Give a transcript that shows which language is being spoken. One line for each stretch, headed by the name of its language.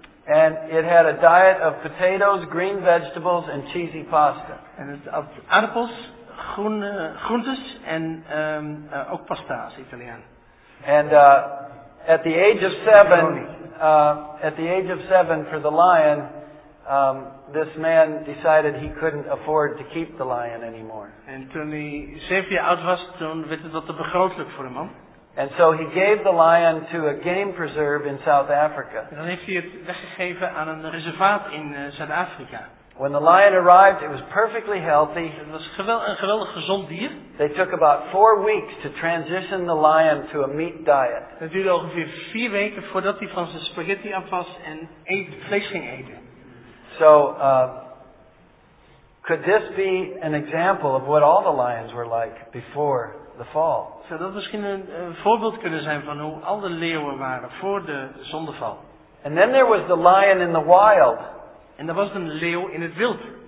English: And it had a diet of potatoes, green vegetables and cheesy pasta.
Dutch: En het had aardappels, groentes en ook pasta als Italiaan.
English: And at the age of 7, at the age of 7 for the lion, this man decided he couldn't afford to keep the lion anymore.
Dutch: En toen hij 7 jaar oud was, toen werd het wat te begrotelijk voor de man.
English: And so he gave the lion to a game preserve in South Africa.
Dutch: En dan heeft hij het weggegeven aan een reservaat in Zuid-Afrika.
English: When the lion arrived, it was perfectly healthy.
Dutch: Het was een geweldig gezond dier.
English: They took about 4 weeks to transition the lion to a meat diet.
Dutch: Het duurde ongeveer 4 weken voordat hij van zijn spaghetti af was en vlees ging eten.
English: So, could this be an example of what all the lions were like before the fall?
Dutch: Zou dat misschien een voorbeeld kunnen zijn van hoe al de leeuwen waren voor de zondeval?
English: And then there was the lion in the wild.
Dutch: En er was een leeuw in het wild.